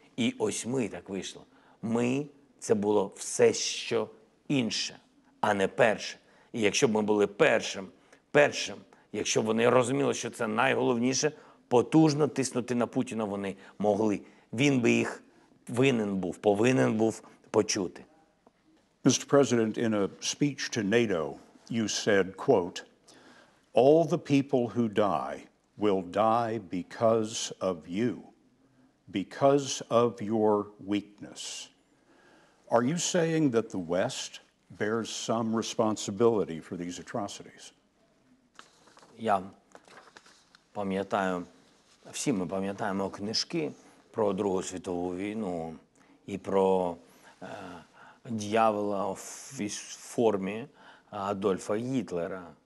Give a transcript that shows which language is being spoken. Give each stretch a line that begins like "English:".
Ukrainian: І ось ми так вийшло. Ми – це було все, що інше, а не перше. І якщо б ми були першим, якщо б вони розуміли, що це найголовніше, потужно тиснути на Путіна вони могли. Він би їх повинен був почути.
English: Mr. President, in a speech to NATO, you said, quote, all the people who die will die because of you, because of your weakness. Are you saying that the West bears some responsibility for these atrocities?
Ukrainian: Я пам'ятаю, всі ми пам'ятаємо книжки про Другу світову війну і про д'явола в формі Адольфа Гітлера.